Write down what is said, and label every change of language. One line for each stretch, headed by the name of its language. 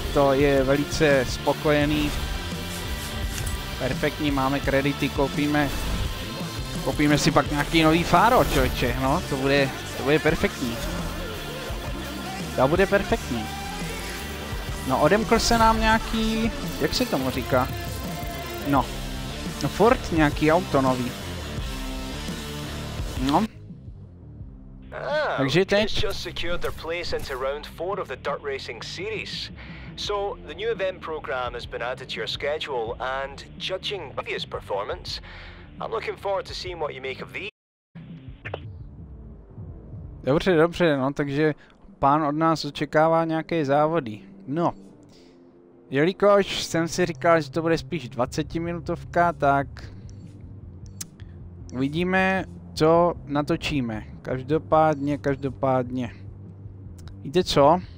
Czech: Je velice spokojený. Perfektní, máme kredity, koupíme si pak nějaký nový fáro, člověče, no, to bude perfektní. To bude perfektní. No, odemkl se nám nějaký, jak se tomu říká? No, furt nějaký auto nový. No. Takže teď... Chris
English: just secured their place into round 4 of the Dirt Racing Series. So, the new event program has been added to your schedule, and judging previous performance, I'm looking forward to seeing what you make of these.
Czech: Dobře, no, takže pán od nás očekává nějaké závody. No. Jelikož jsem si říkal, že to bude spíš 20-minutovka, tak uvidíme, co natočíme. Každopádně. Víte co?